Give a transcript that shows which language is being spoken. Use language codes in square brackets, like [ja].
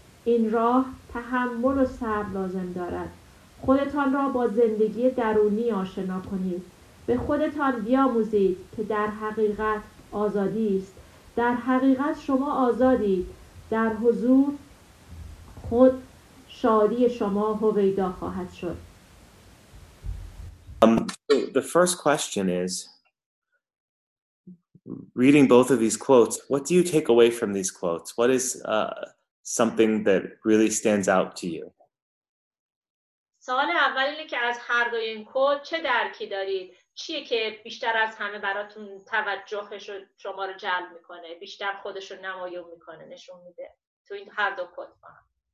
[fa] این راه تحمل و صبر لازم دارد. خودتان را با زندگی درونی آشنا کنید. به خودتان بیاموزید که در حقیقت آزادی است. در حقیقت شما آزادید. در حضور خود شادی شما هویدا خواهد شد. [en] The first question is, reading both of these quotes, what do you take away from these quotes? What is something that really stands out to you? [fa] سوال اول اینه که از هر دوی این کد چه درکی دارید؟ چیه که بیشتر از همه براتون توجهش شما رو جلب میکنه؟ بیشتر خودش رو نمایون میکنه، نشون میده تو این هر دو کد با هم؟